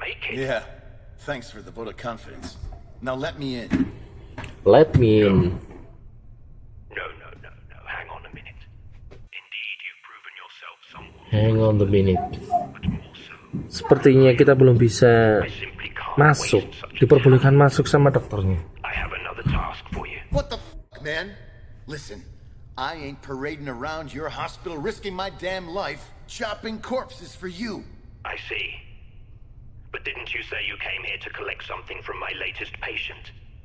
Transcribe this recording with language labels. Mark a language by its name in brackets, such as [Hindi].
[English] Yeah, thanks for the vote of confidence. Now let me in. Let me in. No. Hang on a minute. Indeed, you've proven yourself someone. Hang on a minute. [Indonesian] Sepertinya kita belum bisa masuk. Diperbolehkan masuk sama dokternya. [English] I have another task for you. What the fuck, man? Listen, I ain't parading around your hospital risking my damn life chopping corpses for you. I see. But didn't you say you came here to collect something from my latest patient?